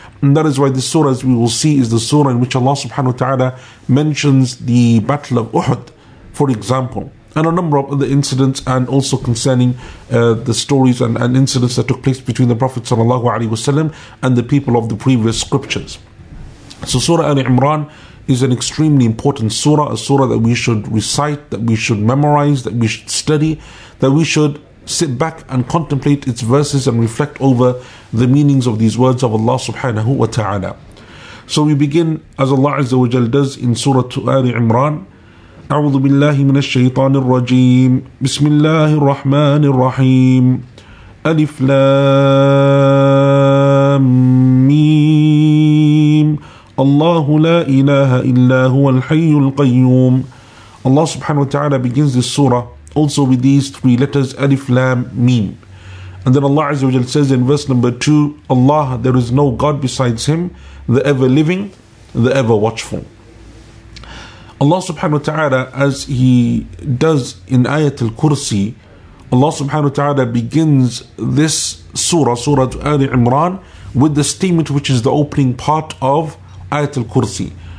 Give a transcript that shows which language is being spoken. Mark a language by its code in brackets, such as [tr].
[en] And that is why this surah, as we will see, is the surah in which Allah subhanahu wa ta'ala mentions the Battle of Uhud, for example, and a number of other incidents, and also concerning the stories and incidents that took place between the Prophet sallallahu alaihi wasallam and the people of the previous scriptures. So Surah Ali Imran is an extremely important surah, a surah that we should recite, that we should memorize, that we should study, that we should sit back and contemplate its verses and reflect over the meanings of these words of Allah subhanahu wa ta'ala. So we begin, as Allah azza wa jal does in Surah Ali Imran, [ar] أعوذ بالله من الشيطان الرجيم بسم الله الرحمن الرحيم ألف لام ميم الله لا إله إلا هو الحي القيوم. [en] Allah subhanahu wa ta'ala begins this surah also with these three letters, Alif Lam Mim. And then Allah Azza wa Jalla says in verse number 2, Allah, there is no God besides Him, the ever living, the ever watchful. Allah subhanahu wa ta'ala, as He does in Ayat al-Kursi, Allah subhanahu wa ta'ala begins this surah, Surah Ali Imran, with the statement which is the opening part of Ayat al-Kursi.